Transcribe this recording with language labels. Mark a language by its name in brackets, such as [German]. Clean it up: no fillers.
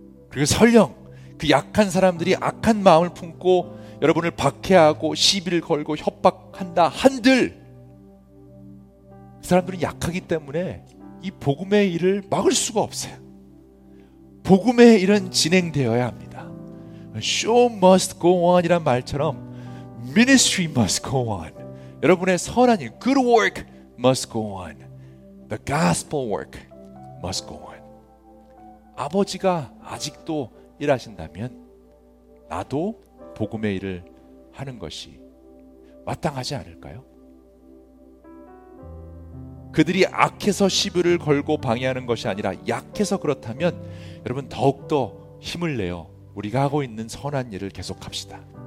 [Korean] 그리고 설령 그 약한 사람들이 악한 마음을 품고 여러분을 박해하고 시비를 걸고 협박한다 한들 그 사람들은 약하기 때문에 이 복음의 일을 막을 수가 없어요. 복음의 일은 진행되어야 합니다. [English] Show must go on [Korean] 이란 말처럼 [English] Ministry must go on. [Korean] 여러분의 선한 일, [English] good work must go on. The gospel work must go on. [Korean] 아버지가 아직도 일하신다면 나도 복음의 일을 하는 것이 마땅하지 않을까요? 그들이 악해서 시비를 걸고 방해하는 것이 아니라 약해서 그렇다면 여러분 더욱더 힘을 내어 우리가 하고 있는 선한 일을 계속합시다.